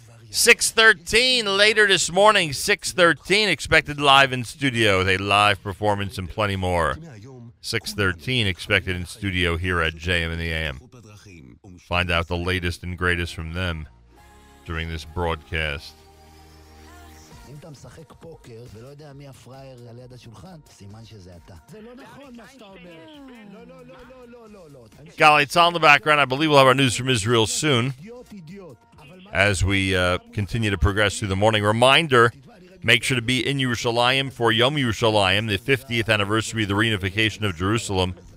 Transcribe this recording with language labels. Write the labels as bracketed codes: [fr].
[en] 6:13 later this morning. 6:13 expected live in studio with a live performance and plenty more. 6:13 expected in studio here at JM in the AM. Find out the latest and greatest from them. During this broadcast. [he] אם אתה משחק פוקר ולא יודע מי הפרייר על יד השולחן, סימן שזה אתה. זה לא נכון מה שאתה אומר. לא. [en] Galley Tzal in the background. I believe we'll have our news from Israel soon. As we continue to progress through the morning. Reminder, make sure to be in Yerushalayim for Yom Yerushalayim, the 50th anniversary of the reunification of Jerusalem.